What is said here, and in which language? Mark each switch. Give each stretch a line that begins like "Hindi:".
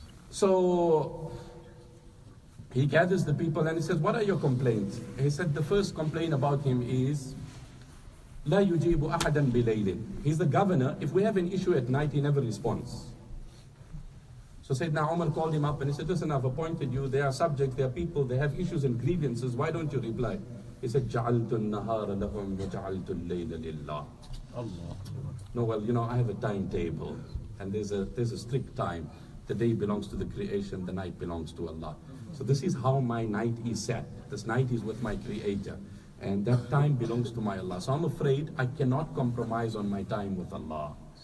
English: So he gathers the people and he says, what are your complaints? He said, the first complaint about him is,
Arabic: لا يجيب أحدا بليل.
English: He's the governor. If we have an issue at night, he never responds. So Sayyidina Umar called him up and he said, listen, I've appointed you. There are subjects, there are people, they have issues and grievances. Why don't you reply? He said,
Arabic: جَعَلْتُ النَّهَارَ لَهُمْ وَجَعَلْتُ اللَّيْلَ لِلَّهِ.
English: Allah. No, well, you know, I have a timetable. And there's a strict time. The day belongs to the creation, the night belongs to Allah. So this is how my night is set. This night is with my creator. And that time belongs to my Allah. So I'm afraid I cannot compromise on my time with Allah.